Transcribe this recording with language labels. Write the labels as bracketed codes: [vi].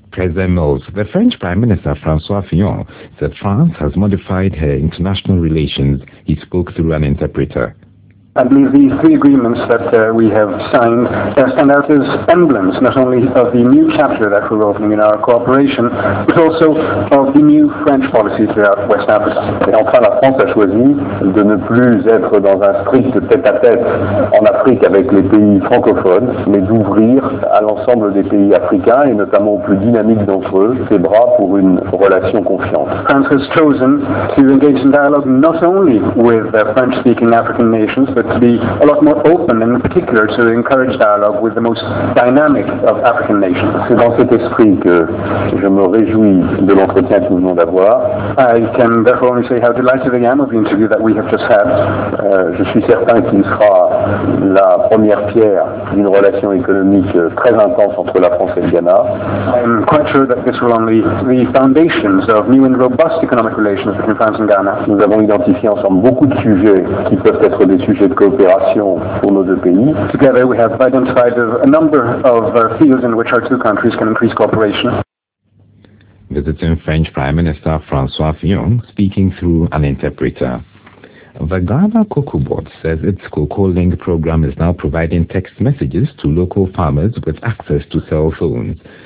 [en] present Mills. The French Prime Minister, François Fillon, said France has modified her international relations. He spoke through an interpreter. I believe these three agreements that we have signed stand out as emblems, not only of the new chapter that we're opening in our cooperation, but also of the new French policy throughout West Africa. [fr] Et enfin, la France a choisi de ne plus être dans un strict tête-à-tête en Afrique avec les pays francophones, mais d'ouvrir à l'ensemble des pays africains, et notamment aux plus dynamiques d'entre eux, ses bras pour une relation confiante. [en] France has chosen to engage in dialogue not only with French-speaking African nations, but to be a lot more open, in particular to encourage dialogue with the most dynamic of African nations. [fr] C'est dans cet esprit que je me réjouis de l'entretien que nous venons d'avoir. [en] I can therefore only say how delighted I am of the interview that we have just had. [fr] Je suis certain qu'il sera la première pierre d'une relation économique très intense entre la France et le Ghana. [en] I'm quite sure that this will only be the foundations of new and robust economic relations between France and Ghana. [fr] Nous avons identifié ensemble beaucoup de sujets qui peuvent être des sujets de coopération pour nos deux pays. [en] Together we have identified a number of fields in which our two countries can increase cooperation. Visiting French Prime Minister François Fillon, speaking through an interpreter. The Ghana Cocoa Board says its Cocoa Link program is now providing text messages to local farmers with access to cell phones.